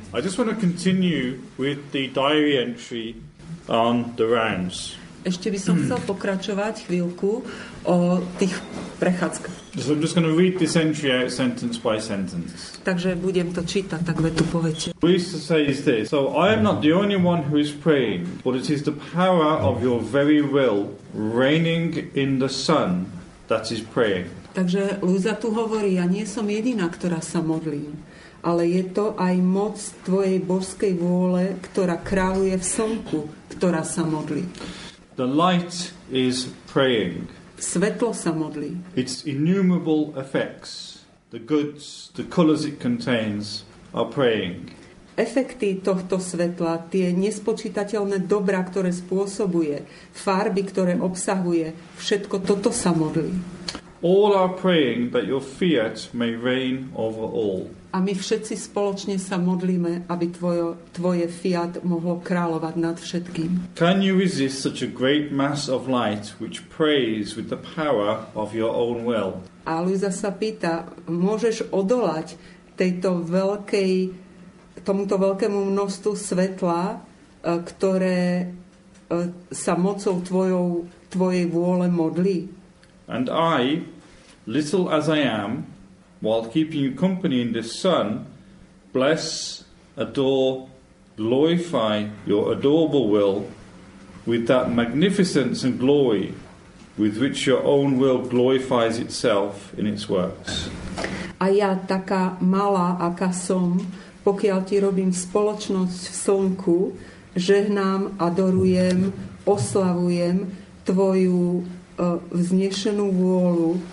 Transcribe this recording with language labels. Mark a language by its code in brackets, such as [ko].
[en] I just want to continue with the diary entry on the rounds. [sk] Ešte by som chcel pokračovať chvíľku o tých prechádzkach. [en] So I'm just going to read this entry out sentence by sentence. [sk] Takže budem to čítať, tak vetu po vete. [en] Lisa says this: so I am not the only one who is praying, but it is the power of your very will reigning in the sun that is praying. [sk] Takže Lisa tu hovorí, ja nie som jediná, ktorá sa modlí, ale je to aj moc tvojej božskej vôle, ktorá kráľuje v slnku, ktorá sa modlí. [en] The light is praying. [sk] Svetlo sa modlí. [en] Its innumerable effects, the goods, the colors it contains, are praying. [sk] Efekty tohto svetla, tie nespočítateľné dobra, ktoré spôsobuje, farby, ktoré obsahuje, všetko toto sa modlí. [en] All are praying that your fiat may reign over all. [sk] A my všetci spoločne sa modlíme, aby tvoje fiat mohlo kráľovať nad všetkým. [en] Can you resist such a great mass of light which prays with the power of your own will? [sk] A Luisa sa pýta, môžeš odolať tomuto veľkému množstvu svetla, ktoré sa mocou tvojej vôle modlí? [en] And I, little as I am, while keeping you company in this sun, bless, adore, glorify your adorable will with that magnificence and glory with which your own will glorifies itself in its works. [sk] A ja, taká malá, aká som, pokiaľ ti robím spoločnosť v slnku, žehnám, adorujem, oslavujem tvoju vznešenú vôľu.